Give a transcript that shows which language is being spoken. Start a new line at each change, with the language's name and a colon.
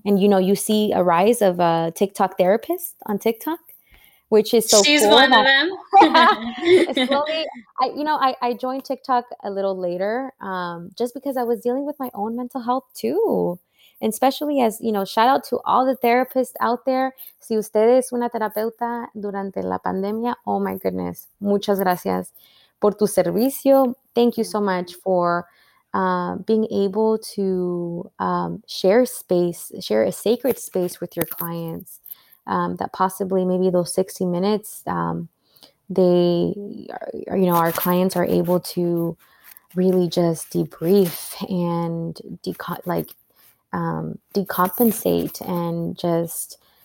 English: And, you know, you see a rise of a TikTok therapist on TikTok, which is so She's cool. She's one of them. Slowly, I joined TikTok a little later just because I was dealing with my own mental health too. And especially as, you know, shout out to all the therapists out there.
Spanish: Si usted es una terapeuta durante la pandemia,
English: oh my goodness,
Spanish: muchas gracias por tu servicio.
English: Thank you so much for being able to share space, share a sacred space with your clients that possibly maybe those 60 minutes, our clients are able to really just debrief and decompensate and just